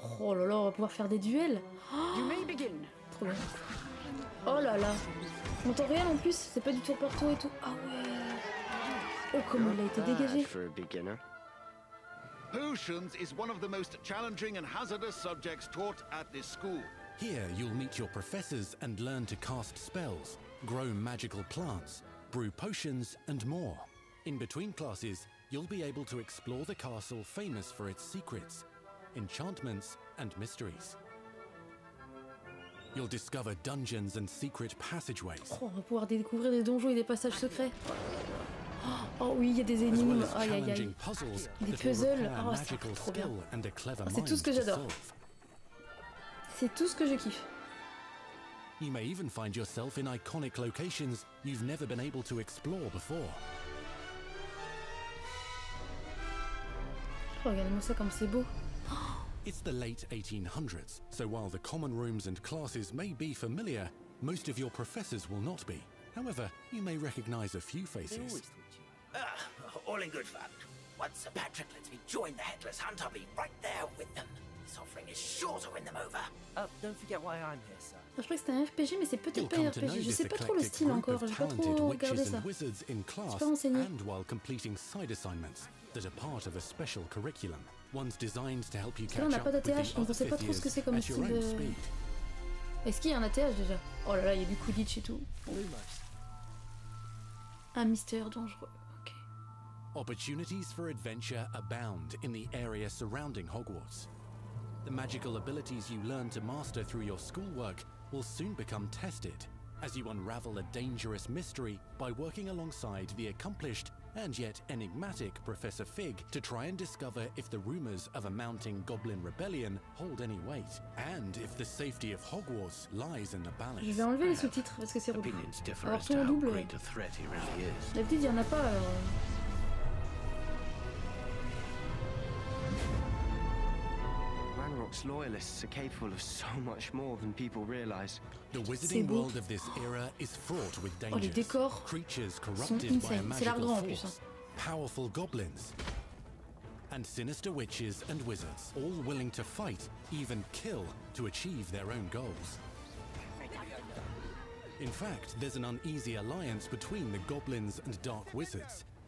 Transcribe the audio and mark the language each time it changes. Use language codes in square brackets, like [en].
[fr] Oh là là, on va pouvoir faire des duels. [en] You may begin. [fr] Trop bien. Oh là là. On entend rien en plus, c'est pas du tour par tour et tout. Ah ouais. Oh, comment il a été dégagé. [en] For a beginner. Potions is one of the most challenging and hazardous subjects taught at this school. Here, you'll meet your professors and learn to cast spells, grow magical plants, brew potions, and more. In between classes, you'll be able to explore the castle famous for its secrets, enchantments, and mysteries. You'll discover dungeons and secret passageways. [fr] Oh, on va pouvoir découvrir des donjons et des passages secrets. Oh oui, il y a des énigmes. Aïe, aïe, aïe. Des puzzles. Oh, ça va être trop bien. C'est tout ce que j'adore. C'est tout ce que je kiffe. [en] You may even find yourself in iconic locations you've never been able to explore before. [fr] Regardez-moi ça comme c'est beau. [en] It's the late 1800s, so while the common rooms and classes may be familiar, most of your professors will not be. However, you may recognize a few faces. All in good fun. Once Sir Patrick lets me join the Headless Hunt, I'll be right there with them. This offering is sure to win them over. Don't forget why I'm here, sir. [fr] Je crois que c'est un RPG, mais c'est peut-être pas un RPG. Je sais pas trop le style encore. J'ai pas trop regardé ça. [en] Wizards in class, [fr] je suis pas enseigné. [en] And while completing side assignments that are part of a special curriculum, ones designed to help you catch up. [fr] On a pas d'ATH, on sait pas trop ce que c'est comme style. De... Est-ce qu'il y a un ATH déjà? Oh là là, il y a du Quidditch et tout. Un mystère dangereux. Ok. [en] Opportunities for adventure abound in the area surrounding Hogwarts. The magical abilities you learn to master through your schoolwork will soon become tested as you unravel a dangerous mystery by working alongside the accomplished and yet enigmatic Professor Fig to try and discover if the rumors of a mounting goblin rebellion hold any weight and if the safety of Hogwarts lies in the balance. [fr] Je vais enlever les sous-titres parce que c'est rouge. Alors c'est en double. [en] Great a threat he really is. [fr] La petite, il y en a pas. [en] Loyalists are capable of so much more than people realize. The wizarding world of this era is fraught with dangers. [fr] Oh, les décors [en] creatures corrupted [fr] sont insane. [en] By a magical force, [fr] en plus, hein. [en] Powerful goblins and sinister witches and wizards, all willing to fight, even kill, to achieve their own goals. In fact, there's an uneasy alliance between the goblins and dark wizards.